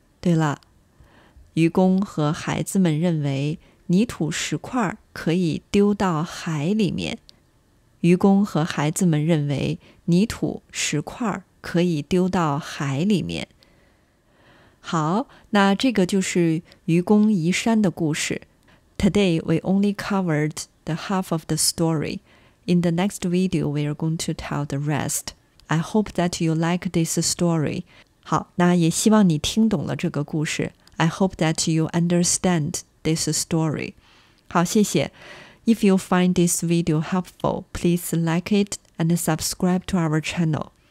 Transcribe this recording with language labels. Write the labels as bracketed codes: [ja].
[zh] 对了，愚公和孩子们认为泥土石块可以丢到海里面。愚公和孩子们认为泥土石块可以丢到海里面。好，那这个就是愚公移山的故事。 [en] Today, we only covered the half of the story. In the next video, we are going to tell the rest. I hope that you like this story. [zh] 好，那也希望你听懂了这个故事。 [en] I hope that you understand this story. [zh] 好，谢谢。 [en] If you find this video helpful, please like it and subscribe to our channel.